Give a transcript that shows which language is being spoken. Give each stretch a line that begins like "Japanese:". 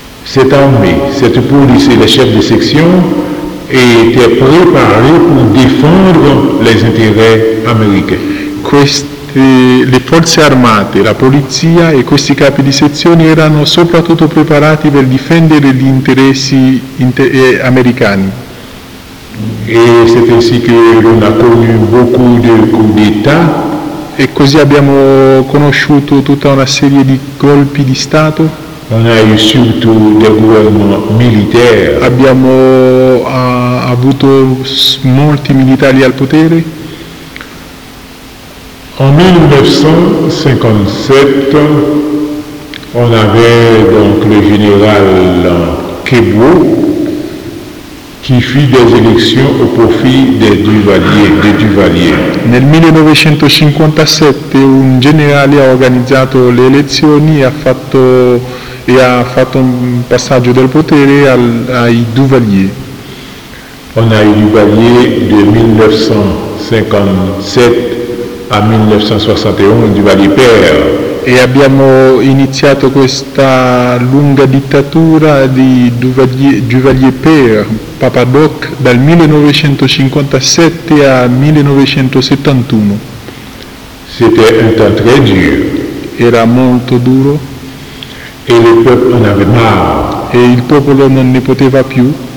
French: Cette armée, cette police et les chefs de section étaient préparés pour défendre les intérêts américains.
Italian: Le forze armate, la polizia e questi capi di sezione erano soprattutto preparati per difendere gli interessi americani.
French: E c'est ainsi que l'on a connu beaucoup de coup d'état.
Italian: E così abbiamo conosciuto tutta una serie di colpi di Stato.
French: On a eu surtout des gouvernements militaires.
Italian: Abbiamo avuto molti militari al potere.
French: En 1957, on avait donc le général Kébo qui fit des élections au profit des Duvaliers.
Italian: Nel 1957 un generale ha organizzato le elezioni e ha fatto e ha fatto un passaggio del potere ai Duvalier.
French: On a eu Duvalier de 1957 à 1961, Duvalier père.
Italian: E abbiamo iniziato questa lunga dittatura di Duvalier père, Papa Doc, dal 1957
French: à 1971. C'était un temps très dur.
Italian: Era molto duro.
French: Et le peuple en avait marre.
Italian: E il popolo non ne poteva più.